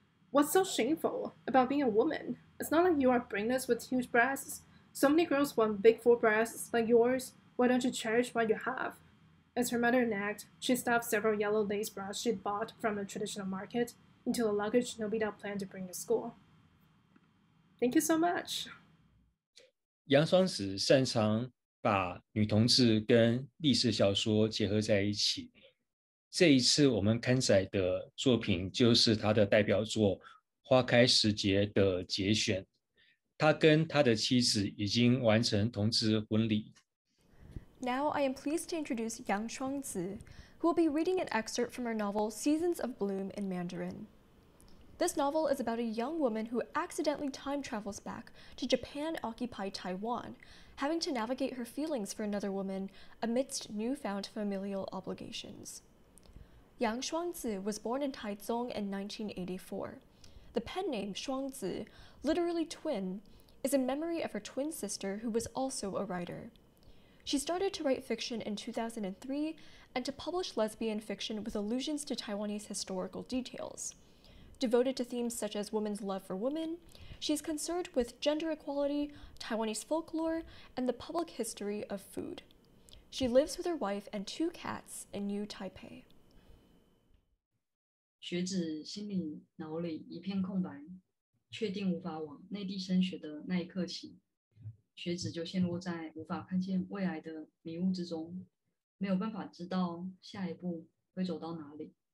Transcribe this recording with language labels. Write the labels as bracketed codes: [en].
[en] What's so shameful about being a woman? It's not like you are brainless with huge breasts. So many girls want big full breasts like yours. Why don't you cherish what you have? As her mother nagged, she stuffed several yellow lace bras she'd bought from a traditional market into the luggage Nobita planned to bring to school. Thank you so much. [zh] 杨双子擅长把女同志跟历史小说结合在一起。这一次我们刊载的作品就是她的代表作《花开时节》的节选。她跟她的妻子已经完成同志婚礼。 [en] Now I am pleased to introduce Yang Shuang-zi, who will be reading an excerpt from her novel Seasons of Bloom in Mandarin. This novel is about a young woman who accidentally time travels back to Japan-occupied Taiwan, having to navigate her feelings for another woman amidst newfound familial obligations. Yang Shuang-zi was born in Taizong in 1984. The pen name Shuang-zi, literally twin, is in memory of her twin sister who was also a writer. She started to write fiction in 2003 and to publish lesbian fiction with allusions to Taiwanese historical details. Devoted to themes such as women's love for women, she is concerned with gender equality, Taiwanese folklore, and the public history of food. She lives with her wife and two cats in New Taipei. [zh] 学子心里脑里一片空白，确定无法往内地升学的那一刻起，学子就陷落在无法看见未来的迷雾之中，没有办法知道下一步会走到哪里。